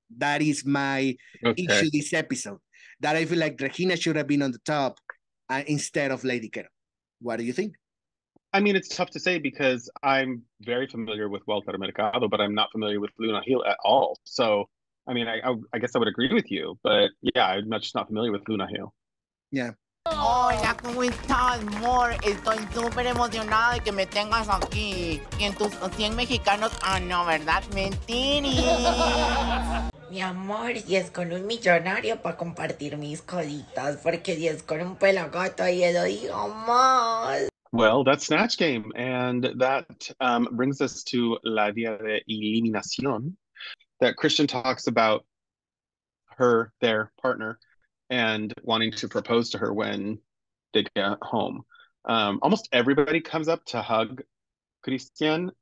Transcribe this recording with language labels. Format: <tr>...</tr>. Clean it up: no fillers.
<en>That is my issue this episode, that I feel like Regina should have been on the top instead of Lady Carol. What do you think? I mean, it's tough to say because I'm very familiar with Walter Mercado, but I'm not familiar with Luna Hill at all. So, I mean, I guess I would agree with you, but yeah, I'm just not familiar with Luna Hill. Yeah.</en> <es>Hola, ¿cómo estás, amor? Estoy súper emocionada de que me tengas aquí. Y en tus 100 mexicanos, ah, no, ¿verdad? Mentiri. Mi amor, si es con un millonario para compartir mis cositas, porque si es con un pelagato, ahí lo digo más.</es> <en>Well, that's Snatch Game, and that brings us to La Vía de Eliminación, that Christian talks about her, their partner, and wanting to propose to her when they get home. Almost everybody comes up to hug Christian.</en>